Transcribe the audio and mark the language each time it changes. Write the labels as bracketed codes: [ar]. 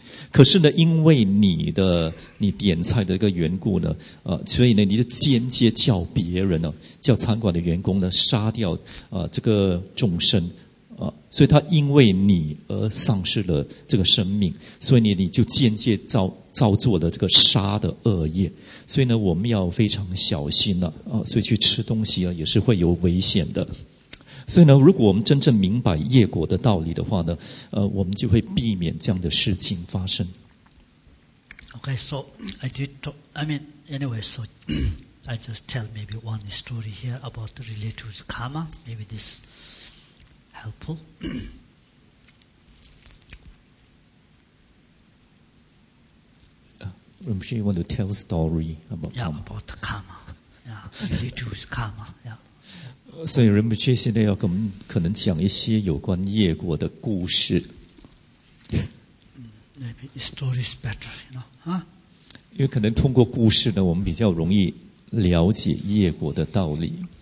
[zh] 可是呢，因为你点菜的一个缘故呢，所以呢，你就间接叫别人呢、啊，叫餐馆的员工呢，杀掉这个众生啊，所以他因为你而丧失了这个生命，所以你就间接造作了这个杀的恶业。所以呢，我们要非常小心呢 所以去吃东西啊，也是会有危险的。所以呢，如果我们真正明白业果的道理的话呢，我们就会避免这样的事情发生。 [en] Okay, so I did talk. I mean, anyway, so I just tell maybe one story here about the related karma. Maybe this helpful. Rinpoche, you want to tell a story about karma? Yeah, about the karma. Yeah, related karma. Yeah. [zh] 所以人们接下来要跟我们可能讲一些有关业果的故事。 [en] Maybe story is better, you know, huh? [zh] 因为可能通过故事呢，我们比较容易了解业果的道理。